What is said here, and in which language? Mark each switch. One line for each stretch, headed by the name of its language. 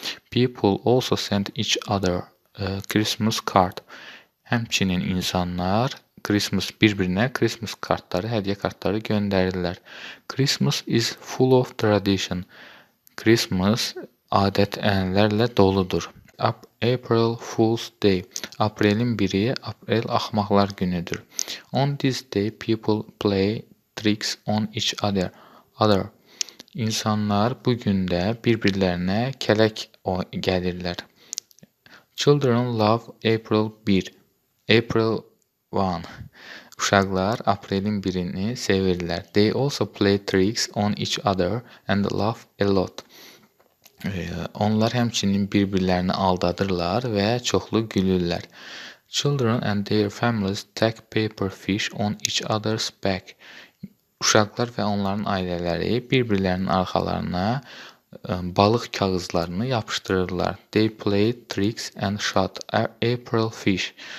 English: People also send each other Christmas card.
Azerbaijani: Həmçinin insanlar bir-birinə Christmas kartları, hədiyə kartları göndərirlər.
English: Christmas is full of tradition.
Azerbaijani: Christmas adət-ənələrlə doludur. April Fool's Day. Aprelin 1-i aprel axmaqlar günüdür.
English: On this day people play tricks on each other.
Azerbaijani: İnsanlar bu gündə bir-birlərinə kələk gəlirlər.
English: Children love April 1. April 1.
Azerbaijani: Uşaqlar aprelin 1-ini sevirlər.
English: They also play tricks on each other and laugh a lot.
Azerbaijani: Onlar həmçinin bir-birlərini aldadırlar və çoxlu gülürlər.
English: Children and their families tack paper fish on each other's back.
Azerbaijani: Uşaqlar və onların ailələri bir-birlərinin arxalarına balıq kağızlarını yapışdırırlar.
English: They play tricks and shot April fish.